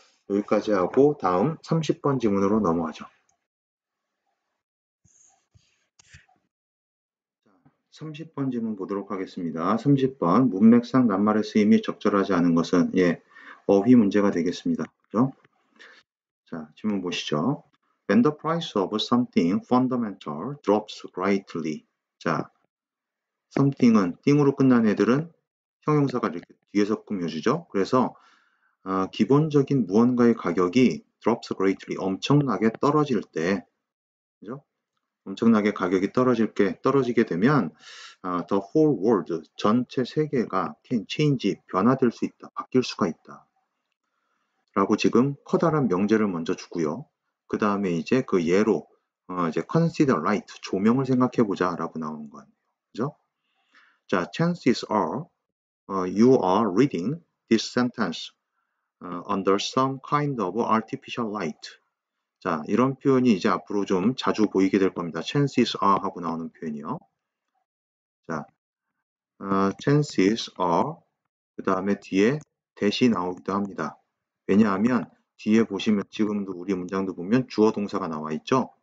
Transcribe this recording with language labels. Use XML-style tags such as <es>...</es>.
<ko>여기까지 하고 다음 30번 지문으로 넘어가죠. 30번 지문 보도록 하겠습니다. 30번. 문맥상 낱말의 쓰임이 적절하지 않은 것은, 예, 어휘 문제가 되겠습니다. 그죠? 자, 지문 보시죠.</ko> <en>When the price of something fundamental drops greatly.</en> <ko>자, something은 띵으로 끝난 애들은 형용사가 이렇게 뒤에서 꾸며주죠. 그래서, 기본적인 무언가의 가격이</ko> <en>drops greatly.</en> <ko>엄청나게 떨어질 때, 그죠? 엄청나게 가격이 떨어지게 되면,</ko> <en>the whole world,</en> <ko>전체 세계가</ko> <en>can change,</en> <ko>변화될 수 있다, 바뀔 수가 있다. 라고 지금 커다란 명제를 먼저 주고요. 그 다음에 이제 그 예로, 이제</ko> <en>consider light,</en> <ko>조명을 생각해 보자, 라고 나오는 거 아니에요. 그죠?</ko> <en>자, chances are, you are reading this sentence, under some kind of artificial light.</en> <ko>자, 이런 표현이 이제 앞으로 좀 자주 보이게 될 겁니다. Chances are 하고 나오는 표현이요. 자, chances are 그 다음에 뒤에 that이 나오기도 합니다. 왜냐하면 뒤에 보시면 지금도 우리 문장도 보면 주어 동사가 나와 있죠.</ko>